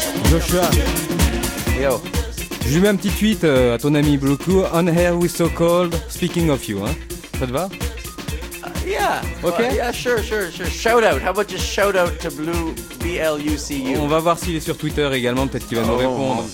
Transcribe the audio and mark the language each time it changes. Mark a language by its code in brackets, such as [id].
[en] Joshua. Yo. [fr] Je lui mets un petit tweet à ton ami Bloku. [en] On air with so cold, speaking of you. [fr] Hein. Ça te va? [en] Yeah. Okay. Well, yeah, sure, sure, sure. Shout out. How about just shout out to Blue B L U C U? [fr] On va voir s'il est sur Twitter également, peut-être qu'il va nous répondre.